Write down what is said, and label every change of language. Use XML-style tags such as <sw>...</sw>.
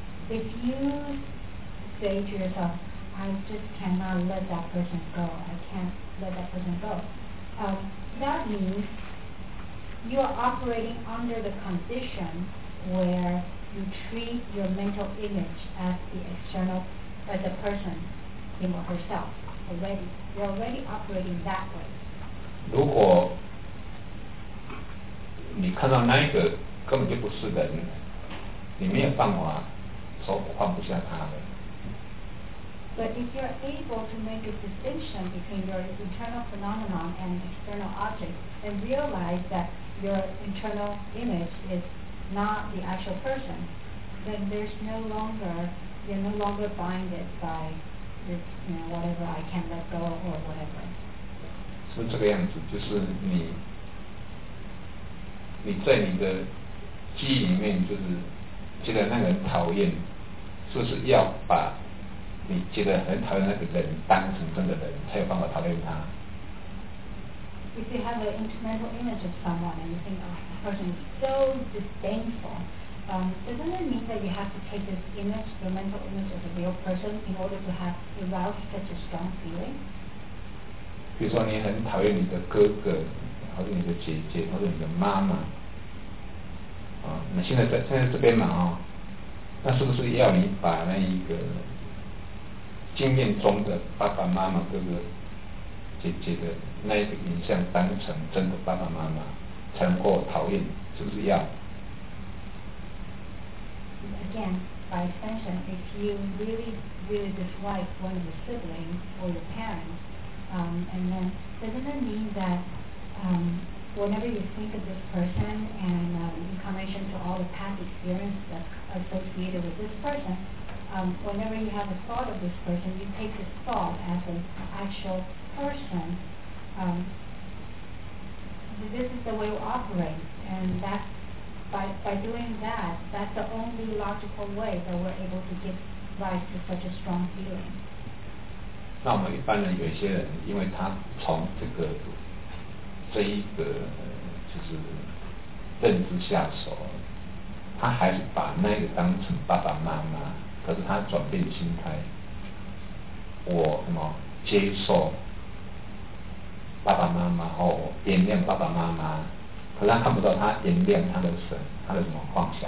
<en>If you say to yourself, I just cannot let that person go, I can't let that person go, that means you are operating under the condition where you treat your mental image as the external, as the person, him or herself, already. You're already operating that way.</en> <zh>如果你看到那一个根本就不是人，你没有办法说我放不下他了。</zh> <en>But if you're able to make a distinction between your internal phenomenon and external object, and realize that your internal image is not the actual person, then you're no longer binded by this, whatever I can let go or whatever.</en> <zh>是不是这个样子？就是你在你的记忆里面，就是觉得那个人讨厌。就是要把你觉得很讨厌那个人当成真的人，才有办法讨厌他。</zh> <en>If you have an internal image of someone and you think, oh, this person is so disdainful, doesn't it mean that you have to take this image, the mental image of a real person, in order to have aroused such a strong feeling?</en> <zh>比如说，你很讨厌你的哥哥，或者你的姐姐，或者你的妈妈。那现在这边嘛，那是不是要你把那一个经验中的爸爸妈妈、哥哥、姐姐的那一个影像当成真的爸爸妈妈，才能够讨厌？是不是要</zh> <en>？Again, by extension, if you really, really dislike one of your siblings or your parents, and then doesn't it mean that whenever you think of this person and in connection to all the past experiences associated with this person, whenever you have a thought of this person, you take this thought as an actual person this is the way we operate, and that by doing that, that's the only logical way that we're able to give rise to such a strong feeling.</en> <zh>那我们一般人有一些人，因为他从这个这一个就是认知下手，他还是把那个当成爸爸妈妈，可是他转变心态，我什么接受爸爸妈妈后，我原谅爸爸妈妈，可是他看不到他原谅他的神，他的什么妄想。</zh>